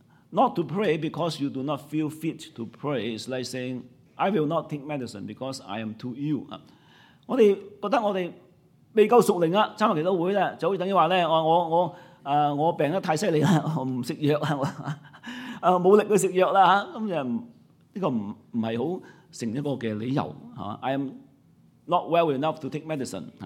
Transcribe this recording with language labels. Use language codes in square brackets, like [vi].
[en] Not to pray because you do not feel fit to pray is like saying, I will not take medicine because I am too ill. [zh] 我們覺得我們未夠熟靈，參加祈禱會就好像等於說 我病得太厲害了，我不吃藥，沒力去吃藥，這個不是很成一個理由。 [en] I am not well enough to take medicine.